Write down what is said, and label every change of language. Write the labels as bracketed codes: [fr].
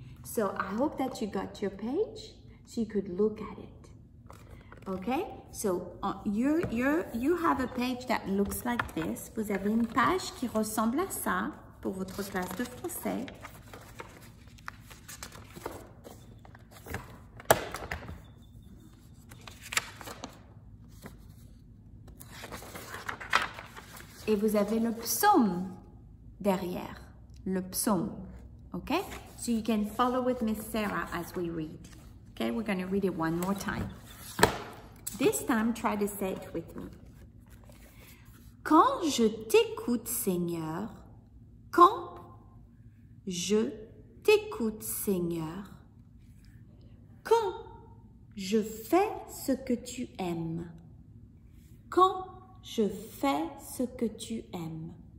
[en] So I hope that you got your page so you could look at it. Okay? So you have a page that looks like this. [fr] Vous avez une page qui ressemble à ça pour votre classe de français. Et vous avez le psaume derrière, le psaume, okay? [en] So you can follow with Miss Sarah as we read. Okay, we're going to read it one more time. This time, try to say it with me. [fr] Quand je t'écoute, Seigneur, quand je t'écoute, Seigneur, quand je fais ce que tu aimes, quand je fais ce que tu aimes.